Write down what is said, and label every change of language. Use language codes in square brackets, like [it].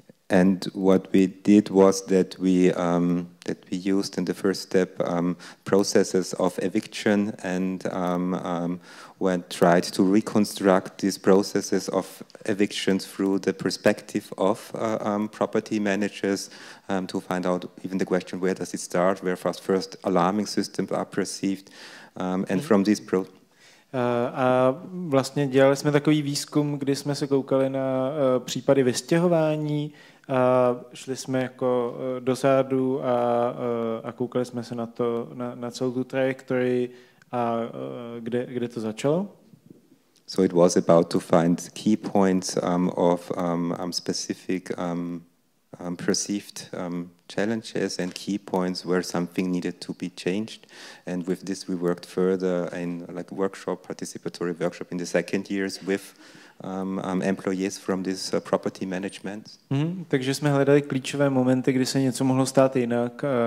[en] And what we did was that we used in the first step processes of eviction and when tried to reconstruct these processes of evictions through the perspective of property managers to find out even the question where does it start, where first alarming systems are perceived, and from these [cs] A vlastně dělali jsme takový výzkum, kdy jsme se koukali na případy vystěhování. A šli jsme jako dozadu a koukali jsme se na to na celou tu trajektorii a kde to začalo. [en] So it was about to find key points of specific perceived challenges and key points where something needed to be changed, and with this we worked further in like workshop, participatory workshop in the second years with employees from this property management. Mm-hmm. [cs] Takže jsme hledali klíčové momenty, kdy se něco mohlo stát jinak.